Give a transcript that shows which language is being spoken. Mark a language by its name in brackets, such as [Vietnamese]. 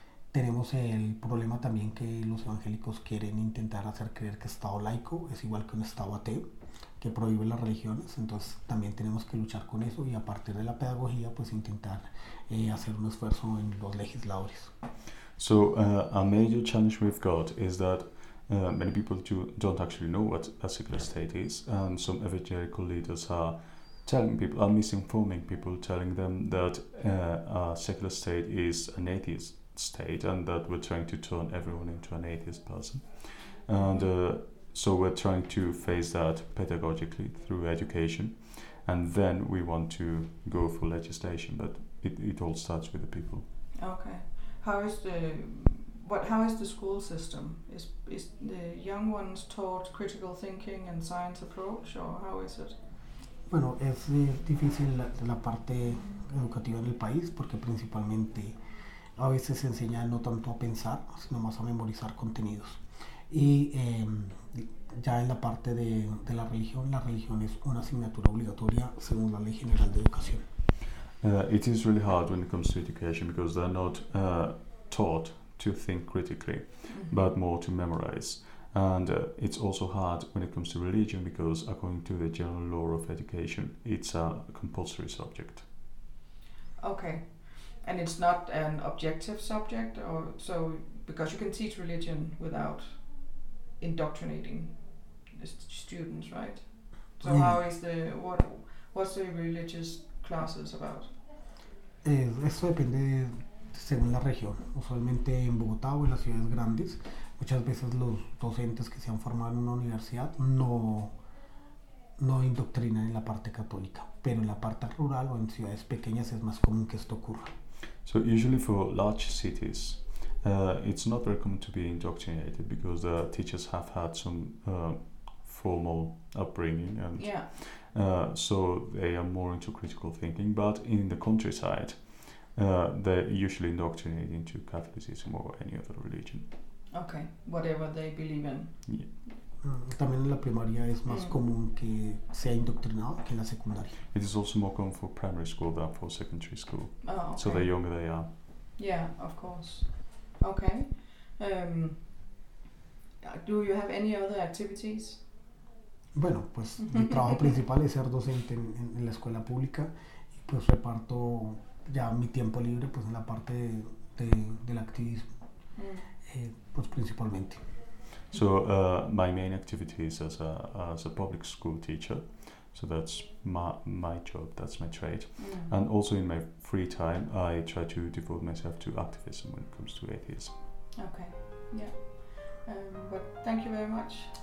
[Spanish] Tenemos el problema también que los evangélicos quieren intentar hacer creer que Estado laico es igual que un Estado ateo, que prohíbe las religiones. Entonces también tenemos que luchar con eso y a partir de la pedagogía, pues intentar hacer un esfuerzo en los legisladores. [English] So a major challenge we've got is that Many people don't actually know what a secular state is, and some evangelical leaders are telling people, are misinforming people, telling them that a secular state is an atheist state, and that we're trying to turn everyone into an atheist person. And so we're trying to face that pedagogically through education, and then we want to go for legislation, but it all starts with the people. Okay. How is the school system? Is the young ones taught critical thinking and science approach, or how is it? [Spanish] Bueno, es difícil la parte educativa en el país porque principalmente a veces se enseña no tanto a pensar, sino más a memorizar contenidos. Y ya en la parte de la religión es una asignatura obligatoria según la Ley General de Educación. [English] It is really hard when it comes to education because they're not taught to think critically, mm-hmm. but more to memorize. And it's also hard when it comes to religion because according to the general law of education, it's a compulsory subject. Okay. And it's not an objective subject, or so, because you can teach religion without indoctrinating students, right? So mm. What's the religious classes about? [Spanish] Eso depende según la región. Usualmente en Bogotá o en las ciudades grandes, muchas veces los docentes que se han formado en una universidad no indoctrinan en la parte católica, pero en la parte rural o en ciudades pequeñas es más común que esto ocurra. [English] So usually for large cities, it's not very common to be indoctrinated because the teachers have had some formal upbringing and yeah. So they are more into critical thinking. But in the countryside, they're usually indoctrinated into Catholicism or any other religion. Okay, whatever they believe in. Yeah. [Spanish] También en la primaria es más común que sea indoctrinado que en la secundaria. [English] It is also more common for primary school than for secondary school. Oh, okay. So the younger they are. Yeah, of course. Okay. Do you have any other activities? [Spanish] Bueno, pues mi trabajo principal es ser docente en la escuela pública y pues reparto ya mi tiempo libre pues en la parte del activismo, pues principalmente. [English] So my main activity is as a public school teacher, so that's my job, that's my trade, yeah. And also in my free time I try to devote myself to activism when it comes to atheism. Okay, yeah. But thank you very much.